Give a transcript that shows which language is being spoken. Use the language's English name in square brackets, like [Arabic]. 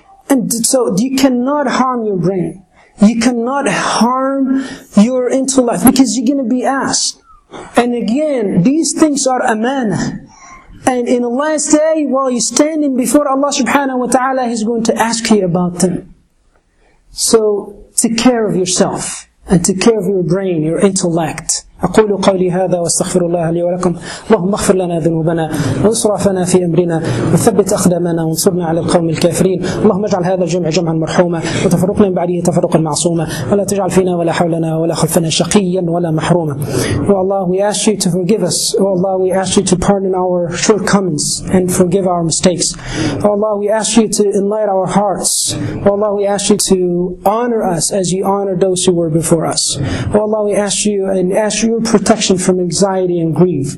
[English] And so you cannot harm your brain. You cannot harm your intellect because you're going to be asked. And again, these things are amanah. And in the last day, while you're standing before Allah subhanahu wa ta'ala, He's going to ask you about them. So, take care of yourself. And take care of your brain, your intellect. [Arabic] أقول قولي هذا واستغفر الله لي ولكم اللهم اغفر لنا ذنوبنا واسرافنا في أمرنا وثبت أقدامنا وانصرنا على القوم الكافرين اللهم اجعل هذا الجمع جمعا مرحوما وتفرقنا من بعده تفرقا معصوما ولا تجعل فينا ولا حولنا ولا خلفنا شقيا ولا محروما [English] Oh Allah, we ask you to forgive us. Oh Allah, we ask you to pardon our shortcomings and forgive our mistakes. Oh Allah, we ask you to enlighten our hearts. Oh Allah, we ask you to honor us as you honor those who were before us. Oh Allah, we ask you and ask your protection from anxiety and grief.